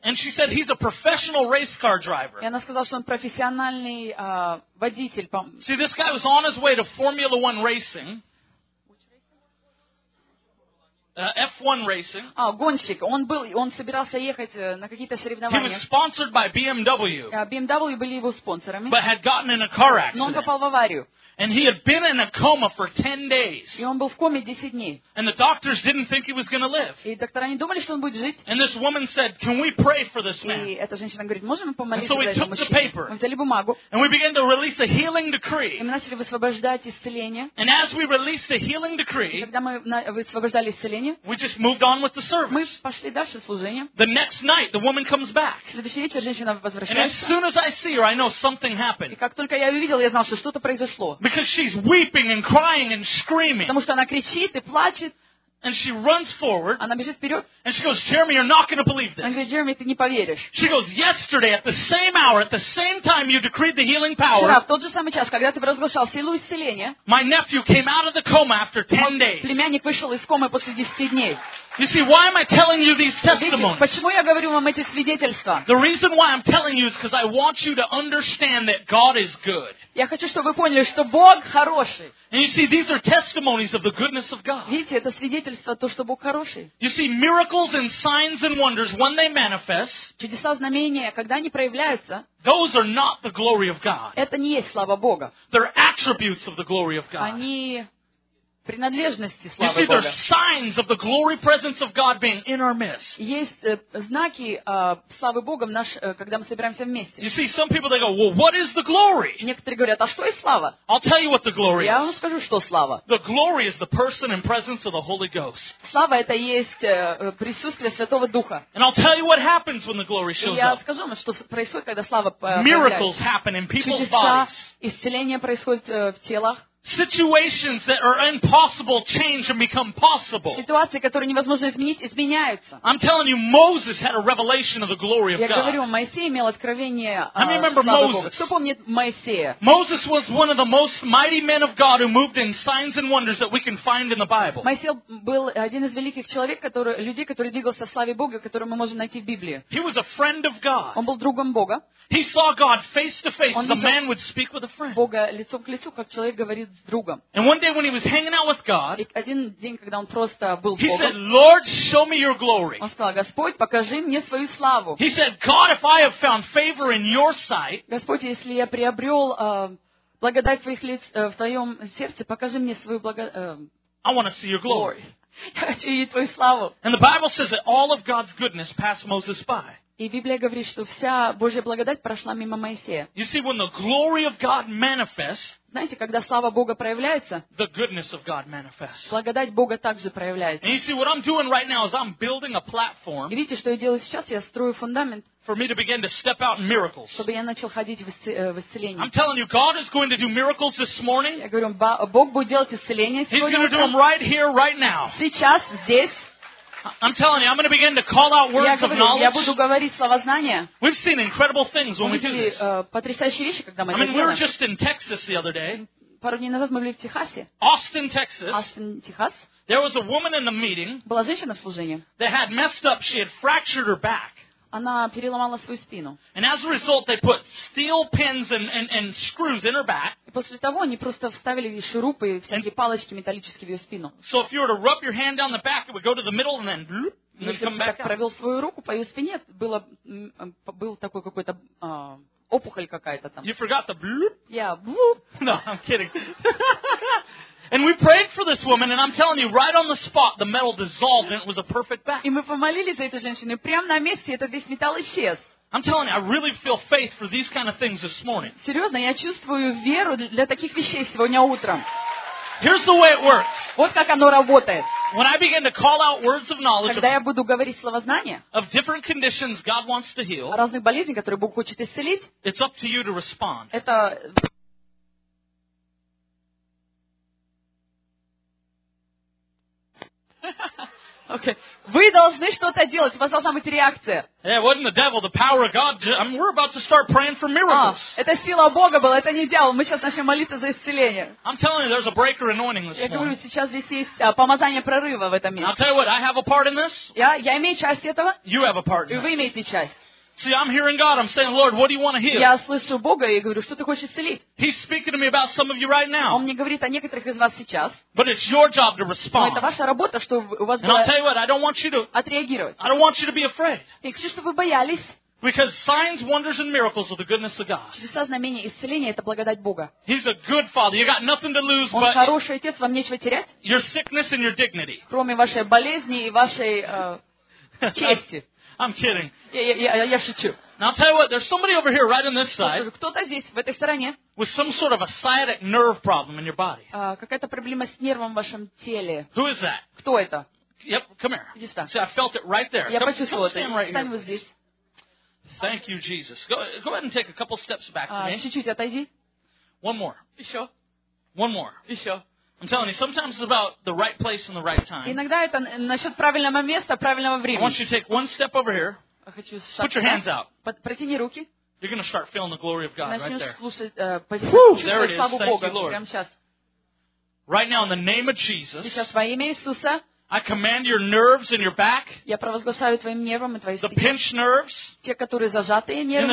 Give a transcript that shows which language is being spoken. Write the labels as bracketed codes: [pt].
[en] And she said, "He's a professional race car driver." [ru] И она сказала, что он профессиональный водитель. [en] See, this guy was on his way to Formula One racing. F1 racing. [ru] А, гонщик. Он собирался ехать на какие-то соревнования. [en] He was sponsored by BMW. [ru] BMW были его спонсорами. [en] But had gotten in a car accident. [ru] Но он попал в аварию. [en] And he had been in a coma for 10 days. [ru] И он был в коме 10 дней. [en] And the doctors didn't think he was going to live. [ru] И доктора не думали, что он будет жить. [en] And this woman said, "Can we pray for this man?" [ru] И эта женщина говорит, можем мы помолиться за этого мужчину? [en] And so we took the paper. [ru] Мы взяли бумагу. [en] And we began to release a healing decree. [ru] И мы начали высвобождать исцеление. [en] And as we released the healing decree, [ru] когда мы высвобождали исцеление, [en] we just moved on with the service. [ru] Мы пошли дальше служением. [en] The next night, the woman comes back. [ru] Следующий вечер женщина возвращается. [en] And as soon as I see her, I know something happened. [ru] И как только я ее увидел, я знал, что что-то произошло. [en] Because she's weeping and crying and screaming. [ru] Потому что она кричит и плачет. [en] And she runs forward. [ru] Она бежит вперед. [en] And she goes, "Jeremy, you're not going to believe this." [ru] Она говорит, Джереми, ты не поверишь. [en] She goes, "Yesterday, at the same hour, at the same time, you decreed the healing power." [ru] Вчера, в тот же самый час, когда ты провозглашал силу исцеления. [en] My nephew came out of the coma after 10 days. [ru] Племянник вышел из комы после 10 дней. [en] You see, why am I telling you these testimonies? [ru] Почему я говорю вам эти свидетельства? [en] The reason why I'm telling you is because I want you to understand that God is good. [ru] Я хочу, чтобы вы поняли, что Бог хороший. [en] And you see, these are testimonies of the goodness of God. [ru] Видите, это свидетельство то, что Бог хороший. [en] You see, miracles and signs and wonders, when they manifest, [ru] чудеса, знамения, когда они проявляются, [en] those are not the glory of God. [ru] Это не есть слава Бога. [en] They're attributes of the glory of God. [ru] Они принадлежности славы Бога. [en] You see, there are signs of the glory presence of God being in our midst. [ru] Есть знаки славы Бога в наш, когда мы собираемся вместе. [en] You see, some people they go, "Well, what is the glory?" [ru] Некоторые говорят, а что есть слава? [en] I'll tell you what the glory is. [ru] Я вам скажу, что слава. [en] The glory is the person and presence of the Holy Ghost. [ru] Слава это есть присутствие Святого Духа. [en] And I'll tell you what happens when the glory shows up. [ru] Я скажу вам, что происходит, когда слава появляется. [en] Miracles happen in people's bodies. [ru] Чудеса, исцеление происходит в телах. [en] Situations that are impossible change and become possible. [ru] Ситуации, которые невозможно изменить, изменяются. [en] I'm telling you, Moses had a revelation of the glory of God. [ru] Я говорю, Моисей имел откровение. [en] I remember Moses. [ru] Кто помнит Моисея? [en] Moses was one of the most mighty men of God who moved in signs and wonders that we can find in the Bible. [ru] Моисей был один из великих человек, людей, который двигался в славе Бога, которого мы можем найти в Библии. [en] He was a friend of God. [ru] Он был другом Бога. [en] He saw God face to face as a man would speak with a friend. [ru] Бога лицом к лицу, как человек говорит с другом. [en] And one day when he was hanging out with God, [ru] один день, когда он просто был с Богом, [en] he said, "Lord, show me your glory." [ru] Он сказал: "Господь, покажи мне свою славу." [en] He said, "God, if I have found favor in your sight." [ru] Господь, если я приобрел благодать в твоих лиц в твоем сердце, покажи мне свою благо. [en] I want to see your glory. [ru] Я хочу видеть твою славу. [en] And the Bible says that all of God's goodness passed Moses by. [ru] И Библия говорит, что вся Божья благодать прошла мимо Моисея. [en] You see, when the glory of God manifests, [ru] знаете, когда слава Бога проявляется, [en] the goodness of God manifests. [ru] Благодать Бога также проявляется. [en] And you see, what I'm doing right now is I'm building a platform. [ru] И видите, что я делаю сейчас? Я строю фундамент. [en] For me to begin to step out in miracles. [ru] Чтобы я начал ходить в исцеление. [en] I'm telling you, God is going to do miracles this morning. [ru] Я говорю, Бог будет делать исцеление сегодня. [en] He's going to do them right here, right now. [ru] Сейчас, здесь. [en] I'm telling you, I'm going to begin to call out words of knowledge. [ru] Я буду говорить слова знания. [en] We've seen incredible things when we do this. [ru] Мы видели потрясающие вещи, когда мы это делаем. [en] I mean, we were just in Texas the other day. [ru] Пару дней назад мы были в Техасе. [en] Austin, Texas. [ru] Austin, Texas. [en] There was a woman in the meeting. [ru] Была женщина в служении. [en] They had messed up. She had fractured her back. [ru] Она переломала свою спину. [en] And as a result, they put steel pins and screws in her back. [ru] И после того они просто вставили шурупы и всякие палочки металлические в ее спину. [en] So if you were to rub your hand down the back, it would go to the middle and then. [ru] Если бы так провел свою руку по ее спине, был такой какой-то опухоль какая-то там. [en] You forgot the bloop. Yeah, bloop. No, I'm kidding. And we prayed for this woman, and I'm telling you, right on the spot, the metal dissolved, and it was a perfect back. [ru] И мы помолились за эту женщину, и прямо на месте этот весь металл исчез. [en] I'm telling you, I really feel faith for these kind of things this morning. [ru] Серьезно, я чувствую веру для таких вещей сегодня утром. [en] Here's the way it works. [ru] Вот как оно работает. [en] When I begin to call out words of knowledge, [ru] когда я буду говорить слова знания, [en] of different conditions God wants to heal, [ru] разных болезней, которые Бог хочет исцелить, [en] it's up to you to respond. [ru] Это [en] okay. [ru] Вы должны что-то делать. У вас должна быть реакция. [en] Yeah, wasn't the devil, the power of God. I mean, we're about to start praying for miracles. [ru] Это сила Бога была, это не дьявол. Мы сейчас начнем молиться за исцеление. [en] I'm telling you, there's a breaker anointing this morning. [ru] Я говорю, сейчас здесь есть помазание прорыва в этом месте. [en] I'll tell you what, I have a part in this. [ru] Я имею часть этого. [en] You have a part in this. [ru] И вы имеете часть. [en] See, I'm hearing God. I'm saying, Lord, what do you want to heal? [ru] Я слышу Бога и говорю, что ты хочешь исцелить? [en] He's speaking to me about some of you right now. [ru] Он мне говорит о некоторых из вас сейчас. [en] But it's your job to respond. [ru] Но это ваша работа, что у вас. [en] And I'll tell you what, I don't want you to. [ru] Отреагировать. [en] I don't want you to be afraid. [ru] Я хочу, чтобы вы боялись. [en] Because signs, wonders, and miracles are the goodness of God. [ru] Чудеса, знамения, исцеление — это благодать Бога. [en] He's a good father. You got nothing to lose. [ru] Он хороший отец, вам нечего терять. [en] Your sickness and your dignity. [ru] Кроме вашей болезни и вашей чести. [en] I'm kidding. [ru] Я шучу. [en] Now I'll tell you what. There's somebody over here, right on this side. [ru] Кто-то здесь, в этой стороне. [en] With some sort of a sciatic nerve problem in your body. [ru] Какая-то проблема с нервом в вашем теле. [en] Who is that? [ru] Кто это? [en] Yep, come here. [ru] Иди сюда. [en] See, I felt it right there. [ru] Я почувствовал это. Встань вот здесь. [en] Thank you, Jesus. Go ahead and take a couple steps back for me. [ru] Чуть-чуть отойди. [en] One more. [ru] Еще. [en] One more. [ru] Еще. [en] I'm telling you, sometimes it's about the right place and the right time. [ru] Иногда это насчет правильного места, правильного времени. [en] I want you to take one step over here. [ru] Хочу шаг. [en] Put your hands out. [ru] Протяни руки. [en] You're going to start feeling the glory of God right there. [ru] Начнешь слушать почувствовать славу Бога. Прямо сейчас. [en] Right now, in the name of Jesus. [ru] Сейчас во имя Иисуса. [en] I command your nerves in your back. [ru] Я провозглашаю твоим нервам и твоей спине. [en] The pinched nerves. [ru] Те, которые зажатые нервы.